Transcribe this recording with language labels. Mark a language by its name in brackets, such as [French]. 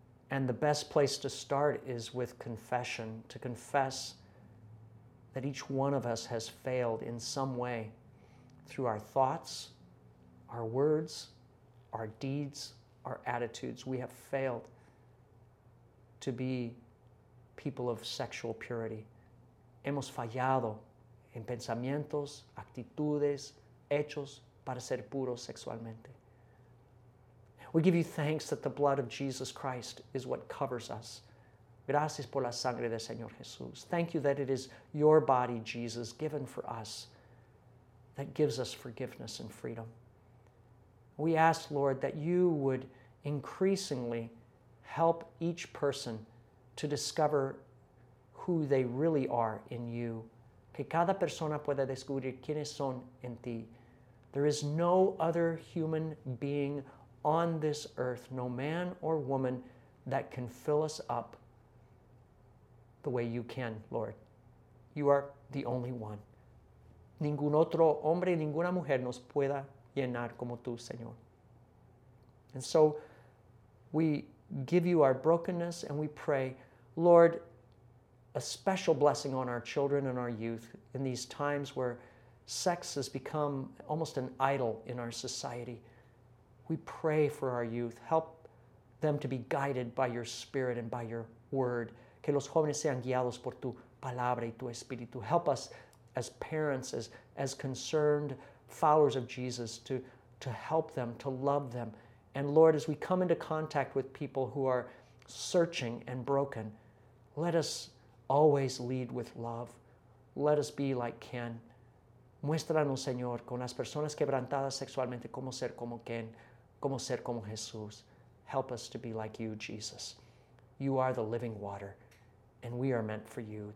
[English] And the best place to start is with confession, to confess that each one of us has failed in some way through our thoughts, our words, our deeds, our attitudes. We have failed to be people of sexual purity. [Spanish] Hemos fallado en pensamientos, actitudes, hechos para ser puros sexualmente. [English] We give you thanks that the blood of Jesus Christ is what covers us. [Spanish] Gracias por la sangre del Señor Jesús. [English] Thank you that it is your body, Jesus, given for us, that gives us forgiveness and freedom. We ask, Lord, that you would increasingly help each person to discover who they really are in you. [Spanish] Que cada persona pueda descubrir quiénes son en ti. [English] There is no other human being on this earth, no man or woman that can fill us up the way you can, Lord. You are the only one. [Spanish] Ningún otro hombre, ninguna mujer nos pueda llenar como tú, Señor. [English] And so we give you our brokenness and we pray, Lord, a special blessing on our children and our youth in these times where sex has become almost an idol in our society. We pray for our youth. Help them to be guided by your spirit and by your word. [Spanish] Que los jóvenes sean guiados por tu palabra y tu espíritu. [English] Help us as parents, as concerned followers of Jesus, to help them, to love them. And Lord, as we come into contact with people who are searching and broken, let us always lead with love. Let us be like Ken. [Spanish] Muéstranos, Señor, con las personas quebrantadas sexualmente, cómo ser como Ken, cómo ser como Jesús. [English] Help us to be like you, Jesus. You are the living water, and we are meant for you.